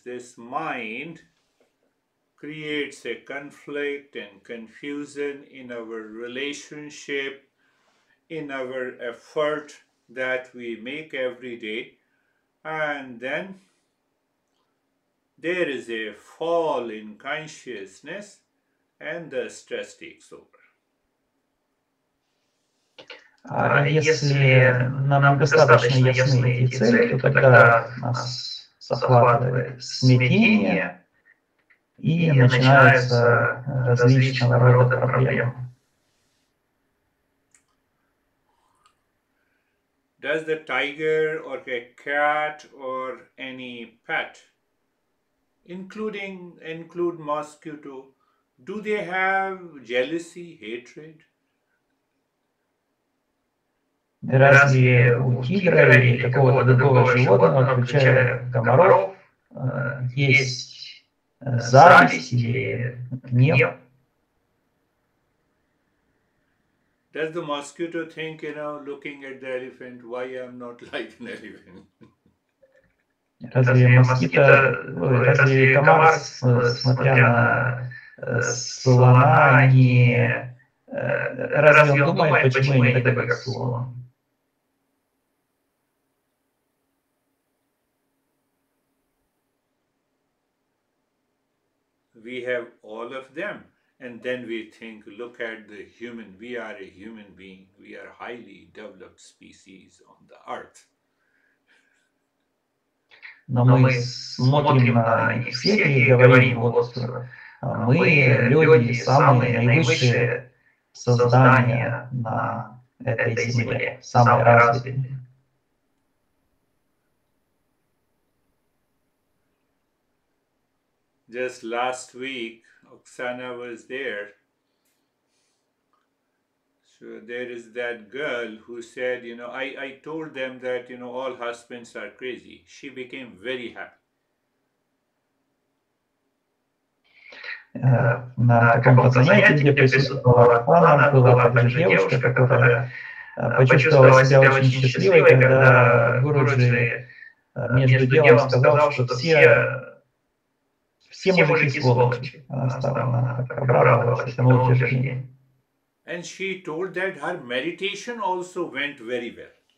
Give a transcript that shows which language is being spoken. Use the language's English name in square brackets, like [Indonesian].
[English] This mind creates a conflict and confusion in our relationship, in our effort that we make every day. And then there is a fall in consciousness and the stress takes over. [Russian] Если нам достаточно ясны эти цели, то тогда нас захватывает смятение, и начинаются различного рода проблемы. [English] Does the tiger or a cat or any pet, include mosquito, do they have jealousy, hatred? [Russian] Разве у тигра или какого-то другого животного, включая комаров, есть зависть или гнев? [English] Does the mosquito think, you know, looking at the elephant, why I'm not like an elephant? [Russian] Разве комар, смотря на слона, не... Разве он думает, почему я не такой, как слон? [English] We have all of them, and then we think, look at the human, we are a human being, we are a highly developed species on the earth. [Russian] Но мы смотрим на них всех и говорим, вот мы люди, самые наивысшие создания на этой земле, самые развитые. [English] Just last week, Oksana was there. So there is that girl who said, you know, I told them that, you know, all husbands are crazy. She became very happy. [Russian] На каком-то занятии, где присутствовала Оксана, была такая девушка, которая почувствовала себя очень счастливой, когда Гуруджи между делом сказал, что все... [English] And she told that her meditation also went very well.